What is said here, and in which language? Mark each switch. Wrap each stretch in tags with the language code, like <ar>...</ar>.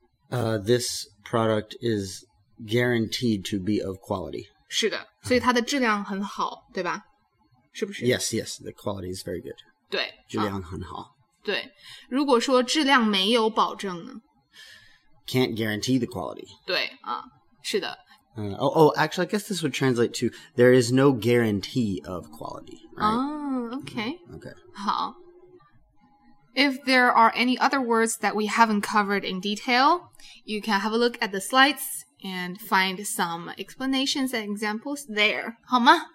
<en>This product is guaranteed to be of quality.</en> <zh>是的, 所以它的质量很好, 对吧? 是不是?</zh> <en>Yes, yes, the quality is very good.</en> <zh>对, 质量很好。对, 如果说质量没有保证呢?</zh> <en>Can't guarantee the quality.</en> <zh>对, 是的。</zh> <en>Actually, I guess this would translate to, there is no guarantee of quality, right? Oh, okay. Okay.</en> <zh>好。</zh> <en>If there are any other words that we haven't covered in detail, you can have a look at the slides and find some explanations and examples there,</en> <zh>好吗?</zh>